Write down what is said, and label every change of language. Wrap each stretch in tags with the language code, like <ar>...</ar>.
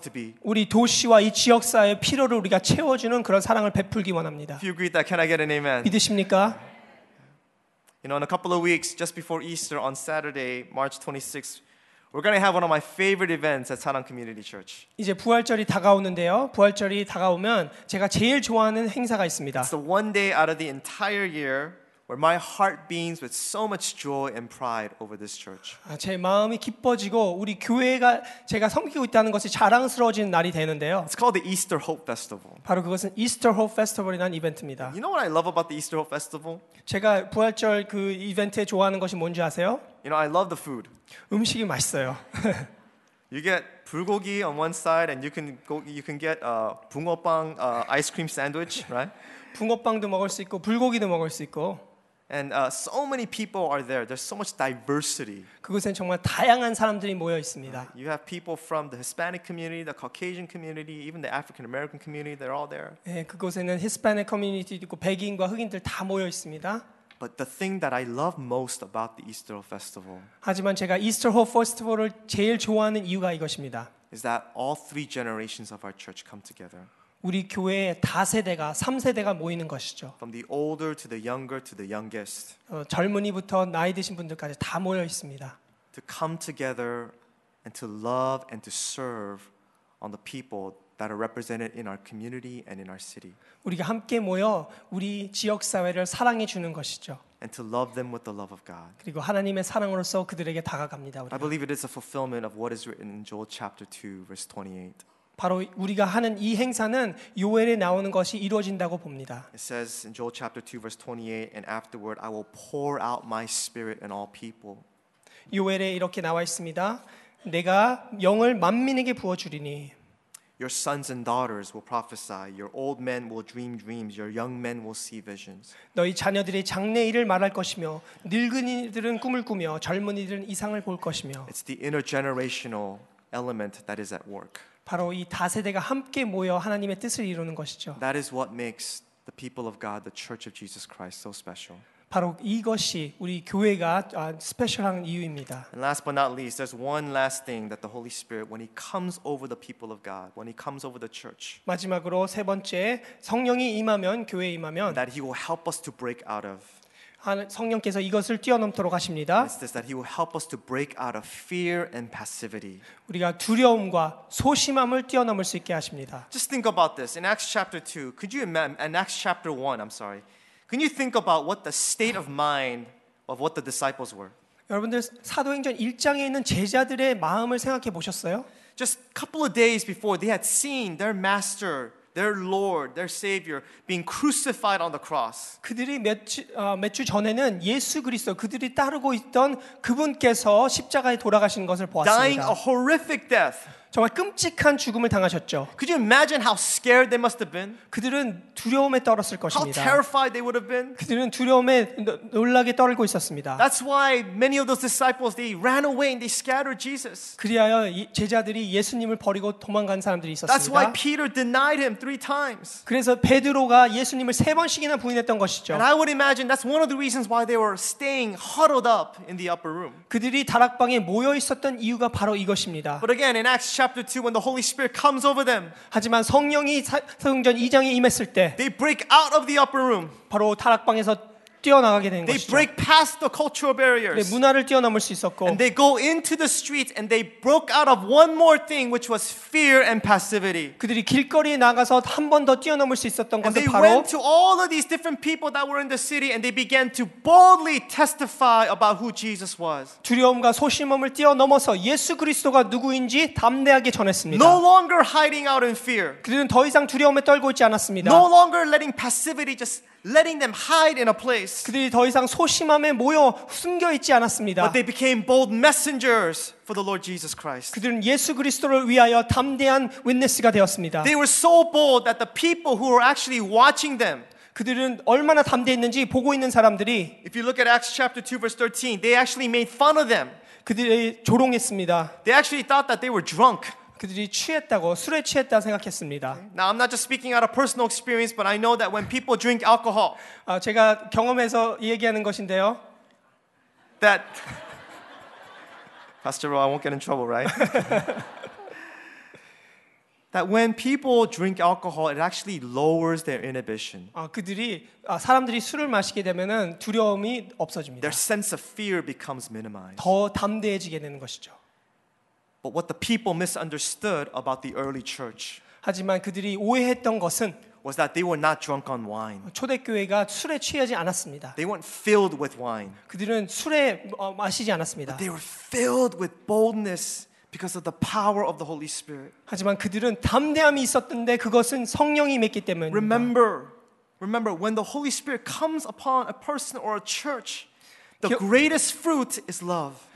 <en>To be.</en> <ko>우리 도시와 이 지역사회의 필요를 우리가 채워주는 그런 사랑을 베풀기 원합니다.</ko> <en>If you agree that, can I get an amen?</en> <ko>믿으십니까?</ko> <en>You know, in a couple of weeks, just before Easter on Saturday, March 26th, we're going to have one of my favorite events at Sanang Community Church.</en> <ko>이제 부활절이 다가오는데요. 부활절이 다가오면 제가 제일 좋아하는 행사가 있습니다.</ko> <en>It's the one day out of the entire year where my heart beams with so much joy and pride over this church.</en> <ko>제 마음이 기뻐지고 우리 교회가 제가 섬기고 있다는 것이 자랑스러워지는 날이 되는데요.</ko> <en>It's called the Easter Hope Festival.</en> <ko>바로 그것은 Easter Hope Festival이라는 이벤트입니다.</ko> <en>You know what I love about the Easter Hope Festival?</en> <ko>제가 부활절 그 이벤트에 좋아하는 것이 뭔지 아세요?</ko> <en>You know, I love the food.</en> <ko>음식이 맛있어요.</ko> <en>You get 불고기 on one side and you can get a 붕어빵 ice cream sandwich, right?</en> <ko>붕어빵도 먹을 수 있고 불고기도 먹을 수 있고</ko> <en>And so many people are there. There's so much diversity.</en> <ko>그곳엔 정말 다양한 사람들이 모여 있습니다.</ko> <en>You have people from the Hispanic community, the Caucasian community, even the African American community. They're all there.</en> <ko>예, 그곳에는 히스패닉 커뮤니티도 있고 백인과 흑인들 다 모여 있습니다.</ko> <en>But the thing that I love most about the Easter Hope Festival.</en> <ko>하지만 제가 Easter Hope Festival을 제일 좋아하는 이유가 이것입니다.</ko> <en>Is that all three generations of our church come together.</en> <ko>우리 교회의 다세대가, 삼세대가 모이는 것이죠.</ko> <en>From the older to the younger to the youngest.</en> <ko>젊은이부터 나이 드신 분들까지 다 모여 있습니다.</ko> <en>To come together and to love and to serve on the people that are represented in our community and in our city.</en> <ko>우리가 함께 모여 우리 지역 사회를 사랑해 주는 것이죠.</ko> <en>And to love them with the love of God.</en> <ko>그리고 하나님의 사랑으로서 그들에게 다가갑니다. 우리가.</ko> <en>I believe it is a fulfillment of what is written in Joel chapter 2 verse 28.</en> <ko>바로 우리가 하는 이 행사는 요엘에 나오는 것이 이루어진다고 봅니다.</ko> <en>It says in Joel chapter 2 verse 28 and afterward I will pour out my spirit in all people.</en> <ko>요엘에 이렇게 나와 있습니다. 내가 영을 만민에게 부어 주리니</ko> <en>Your sons and daughters will prophesy. Your old men will dream dreams. Your young men will see visions.</en> <ko>너희 자녀들이 장래 일을 말할 것이며 늙은이들은 꿈을 꾸며 젊은이들은 이상을 볼 것이며</ko> <en>It's the intergenerational element that is at work.</en> <ko>바로 이 다세대가 함께 모여 하나님의 뜻을 이루는 것이죠.</ko> <en>That is what makes the people of God, the Church of Jesus Christ, so special.</en> <ko>바로 이것이 우리 교회가 스페셜한 이유입니다.</ko> <en>And last but not least, there's one last thing that the Holy Spirit, when He comes over the people of God, when He comes over the church.</en> <ko>마지막으로 세 번째, 성령이 임하면 교회 임하면.</ko> <en>That He will help us to break out of.</en> <ko>성령께서 이것을 뛰어넘도록 하십니다.</ko> <en>It's this, that He will help us to break out of fear and passivity.</en> <ko>우리가 두려움과 소심함을 뛰어넘을 수 있게 하십니다.</ko> <en>Just think about this. In Acts chapter 2, could you imagine? In Acts chapter 1, I'm sorry. Can you think about what the state of mind of what the disciples were?</en> <ko>여러분들 사도행전 1장에 있는 제자들의 마음을 생각해 보셨어요?</ko> <en>Just a couple of days before, they had seen their master. Their Lord, their Savior, being crucified on the cross.</en> <ko>그들이 몇주 전에는 예수 그리스도 그들이 따르고 있던 그분께서 십자가에 돌아가신 것을 보았습니다.</ko> <en>Dying a horrific death.</en> <ko>정말 끔찍한 죽음을 당하셨죠.</ko> <en>Could you imagine how scared they must have been?</en> <ko>그들은 두려움에 떨었을 것입니다.</ko> <en>How terrified they would have been?</en> <ko>그들은 두려움에 놀라게 떨고 있었습니다.</ko> <en>That's why many of those disciples they ran away and they scattered Jesus.</en> <ko>그리하여 제자들이 예수님을 버리고 도망간 사람들이 있었습니다.</ko> <en>That's why Peter denied him three times.</en> <ko>그래서 베드로가 예수님을 세 번씩이나 부인했던 것이죠.</ko> <en>And I would imagine that's one of the reasons why they were staying huddled up in the upper room.</en> <ko>그들이 다락방에 모여 있었던 이유가 바로 이것입니다.</ko> <en>But again, in Acts chapter 2, when the Holy Spirit comes over them,</en> <ko>하지만 성령이 사도행전 2장에 임했을 때,</ko> <en>they break out of the upper room.</en> <ko>바로 다락방에서 뛰어나가게 된 것이죠.</ko> <en>They break past the cultural barriers.</en> <ko>네, 문화를 뛰어넘을 수 있었고,</ko> <en>and they go into the streets and they broke out of one more thing, which was fear and passivity.</en> <ko>그들이 길거리에 나가서 한 번 더 뛰어넘을 수 있었던 것은 바로,</ko> <en>and they went to all of these different people that were in the city and they began to boldly testify about who Jesus was.</en> <ko>두려움과 소심함을 뛰어넘어서 예수 그리스도가 누구인지 담대하게 전했습니다.</ko> <en>No longer hiding out in fear.</en> <ko>그들은 더 이상 두려움에 떨고 있지 않았습니다.</ko> <en>No longer letting passivity just letting them hide in a place.</en> <ko>그들이 더 이상 소심함에 모여 숨겨 있지 않았습니다.</ko> <en>But they became bold messengers for the Lord Jesus Christ.</en> <ko>그들은 예수 그리스도를 위하여 담대한 witness가 되었습니다.</ko> <en>They were so bold that the people who were actually watching them.</en> <ko>그들은 얼마나 담대했는지 보고 있는 사람들이.</ko> <en>If you look at Acts chapter 2 verse 13, they actually made fun of them.</en> <ko>그들이 조롱했습니다.</ko> <en>They actually thought that they were drunk.</en> <ko>그들이 취했다고 술에 취했다 생각했습니다.</ko> <en>Now I'm not just speaking out of personal experience, but I know that when people drink alcohol,</en> <ko>제가 경험해서 얘기하는 것인데요.</ko> <en>That Pastor Roy, I won't get in trouble, right? That when people drink alcohol, it actually lowers their inhibition.</en> <ko>그들이 사람들이 술을 마시게 되면은 두려움이 없어집니다.</ko> <en>Their sense of fear becomes minimized.</en> <ko>더 담대해지게 되는 것이죠.</ko> <en>But what the people misunderstood about the early church</en> <ko>하지만 그들이 오해했던 것은</ko> <en>was that they were not drunk on wine.</en> <ko>초대교회가 술에 취하지 않았습니다.</ko> <en>They weren't filled with wine.</en> <ko>그들은 술에 마시지 않았습니다.</ko> <en>But they were filled with boldness because of the power of the Holy Spirit.</en> <ko>하지만 그들은 담대함이 있었던데 그것은 성령이 임했기 때문입니다.</ko> <en>Remember when the Holy Spirit comes upon a person or a church the greatest fruit is love.</en>